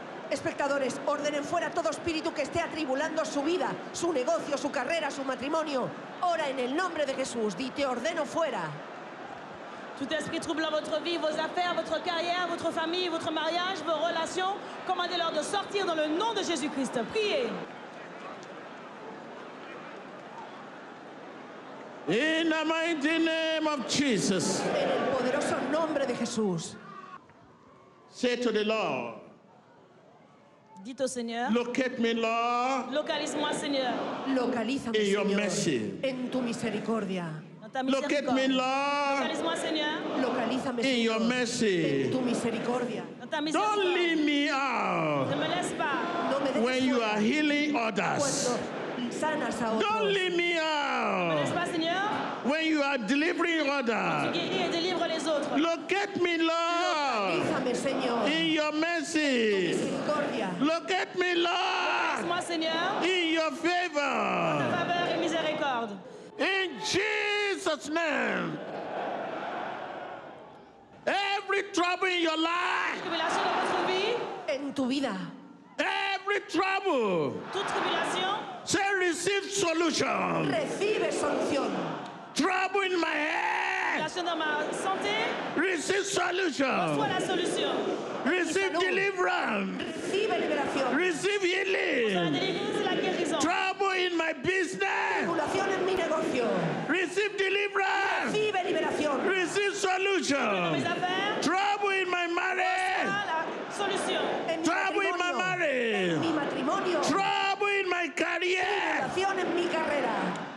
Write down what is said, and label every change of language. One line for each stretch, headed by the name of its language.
Spanish: Espectadores, ordenen fuera todo espíritu que esté atribulando su vida, su negocio, su carrera, su matrimonio. Ora en el nombre de Jesús, di te ordeno fuera.
French: Tout esprit troublant votre vie, vos affaires, votre carrière, votre famille, votre mariage, vos relations, commandez-leur de sortir dans le nom de Jésus-Christ. Priez.
English: In the mighty name of Jesus.
Spanish: En el poderoso nombre de Jesús.
English: Say to the Lord.
French: Dites au Seigneur.
English: Locate me, Lord.
French: Localise-moi, Seigneur. Localise-moi, Seigneur.
English: In your mercy.
Spanish: En tu misericordia.
English: Locate me, Lord.
Spanish: Localízame,
English: Señor. In your mercy.
Spanish: En tu misericordia.
English: Don't leave me out.
Spanish: No me dejes fuera.
English: When you are healing others.
Spanish: Cuando sanas a otros.
English: Don't leave me out.
Spanish: No me dejes fuera, Señor.
English: When you are delivering others.
French: Cuando guéris et délivres les autres.
English: Locate me, Lord.
Spanish: Localízame, Señor.
English: In your mercy.
Spanish: En tu misericordia.
English: Locate me, Lord.
Spanish: Localízame, Señor.
English: In your favor.
French: En ta faveur et miséricorde.
English: In Jesus' name, every trouble in your life,
French: tribulation de votre vie,
Spanish: en tu vida,
English: every trouble,
French: toute tribulation,
English: say receive solution,
Spanish: recibe solución,
English: trouble in my head,
French: tribulation dans ma santé,
English: receive solution,
French: reçois la solution,
English: receive deliverance,
Spanish: recibe liberación,
English: receive healing, trouble in my business,
Spanish: tribulación en mi negocio.
English: Receive deliverance.
Spanish: Recibe liberación.
English: Receive solution. Trouble in my marriage. Solution. Trouble in my marriage.
Spanish: En mi matrimonio.
English: Trouble in my career.
Spanish: Liberación en mi carrera.